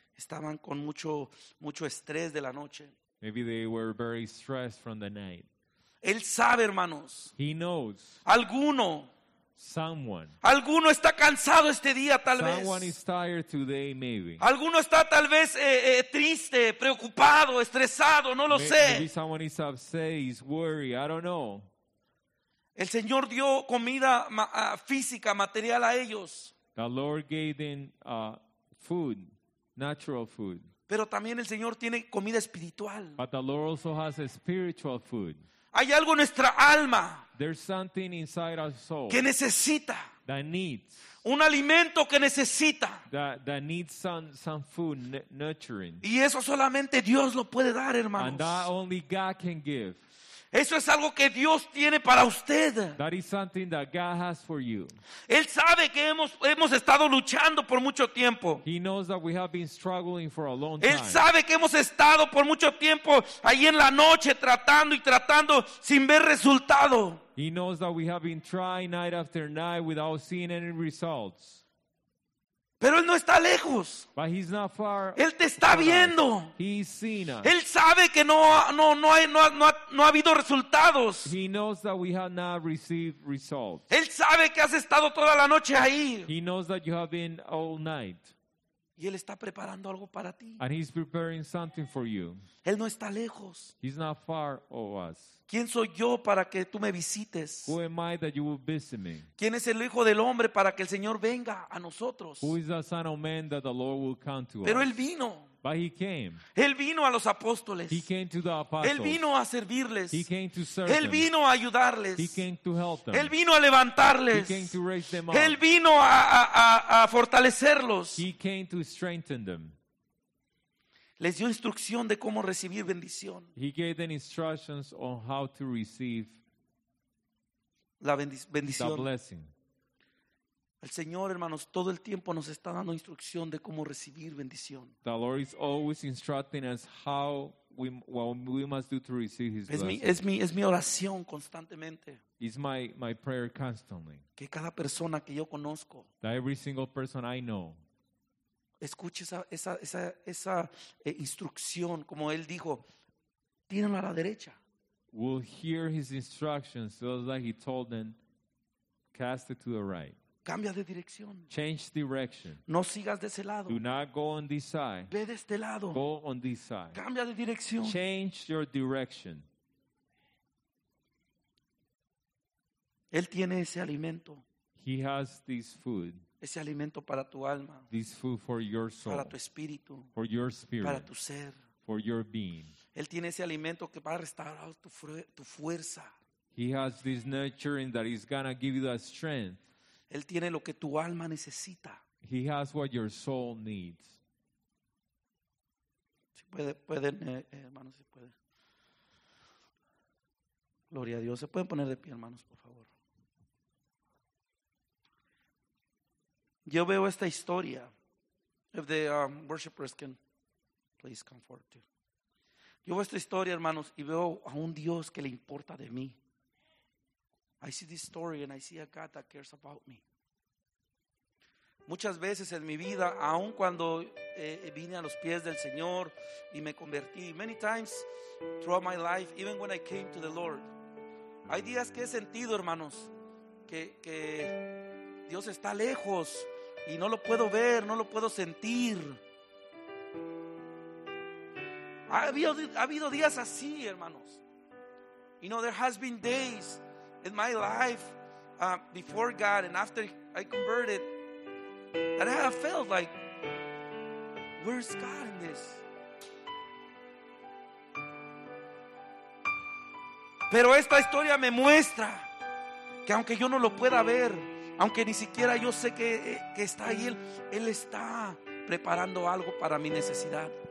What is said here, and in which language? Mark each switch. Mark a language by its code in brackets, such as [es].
[es] Estaban con mucho, mucho estrés de la noche. [en] Maybe they were very stressed from the night. [es] Él sabe, hermanos. [en] He knows. [es] Alguno. [en] Someone. [es] Alguno está cansado este día, tal [en] Someone [es] vez. [en] Someone is tired today, maybe. [es] Alguno está tal vez triste, preocupado, estresado, no lo sé. [en] Maybe someone is upset, is worried, I don't know. [es] El Señor dio comida física, material a ellos. [en] The Lord gave them food, natural food. [es] Pero también el Señor tiene comida espiritual. [en] But the Lord also has a spiritual food. [es] Hay algo en nuestra alma. [en] There's something inside our soul. [es] Que necesita. [en] That needs. [es] Un alimento que necesita. [en] That needs some food nurturing. [es] Y eso solamente Dios lo puede dar, hermanos. [en] And that only God can give. [es] Eso es algo que Dios tiene para usted. [en] That is something that God has for you. [es] Él sabe que hemos estado luchando por mucho tiempo. [en] He knows that we have been struggling for a long time. [es] Él sabe que hemos estado por mucho tiempo ahí en la noche tratando y tratando sin ver resultado. [en] He knows that we have been trying night after night without seeing any results. [es] Pero Él no está lejos. [en] But he's not far. [es] Él te está viendo. [en] He's seen us. [es] Él sabe que no ha habido resultados. [en] He knows that we have not received results. [es] Él sabe que has estado toda la noche ahí. [en] He knows that you have been all night. [es] Y Él está preparando algo para ti. [en] And he's preparing something for you. [es] Él no está lejos. [en] He's not far of us. [es] ¿Quién soy yo para que tú me visites? [en] Who am I that you will visit me? [es] ¿Quién es el Hijo del Hombre para que el Señor venga a nosotros? [en] Who is the Son of Man that the Lord will come to [es] Pero [en] us? [es] Pero Él vino. [en] But he came. [es] Él vino a los apóstoles. [en] He came to the apostles. [es] Él vino a servirles. [en] He came to serve them. [es] Él vino a ayudarles. [en] He came to help them. [es] Él vino a levantarles. [en] He came to raise them up. [es] Él vino a fortalecerlos. [en] He came to strengthen them. [es] Les dio instrucción de cómo recibir bendición. [en] He gave them instructions on how to receive [es] la bendición. [en] The blessing. [es] El Señor, hermanos, todo el tiempo nos está dando instrucción de cómo recibir bendición. [en] The Lord is always instructing us how we must do to receive His blessing. [es] Es mi oración constantemente. [en] It's my prayer constantly. [es] Que cada persona que yo conozco. [en] That every single person I know. [es] Escuche esa instrucción, como Él dijo, tírenlo a la derecha. [en] We'll hear His instructions, so like He told them, cast it to the right. [es] Cambia de dirección. [en] Change direction. [es] No sigas de ese lado. [en] Do not go on this side. [es] Ve de este lado. [en] Go on this side. [es] Cambia de dirección. [en] Change your direction. [es] Él tiene ese alimento. [en] He has this food. [es] Ese alimento para tu alma. [en] This food for your soul. [es] Para tu espíritu. [en] For your spirit. [es] Para tu ser. [en] For your being. [es] Él tiene ese alimento que va a restaurar tu fuerza. [en] He has this nurturing that is going to give you that strength. [es] Él tiene lo que tu alma necesita. [en] He has what your soul needs. [es] Si pueden, hermanos, si pueden. Gloria a Dios. Se pueden poner de pie, hermanos, por favor. Yo veo esta historia. [en] If the worshipers can please come forward too. [es] Yo veo esta historia, hermanos, y veo a un Dios que le importa de mí. [en] I see this story and I see a God that cares about me. [es] Muchas veces en mi vida, aun cuando vine a los pies del Señor y me convertí, [en] many times throughout my life, even when I came to the Lord, [es] hay días que he sentido, hermanos, que Dios está lejos y no lo puedo ver, no lo puedo sentir. Ha habido días así, hermanos. [en] You know, there has been days in my life before God and after I converted, and I have felt like, where's God in this? [es] Pero esta historia me muestra que aunque yo no lo pueda ver, aunque ni siquiera yo sé que está ahí, Él está preparando algo para mi necesidad.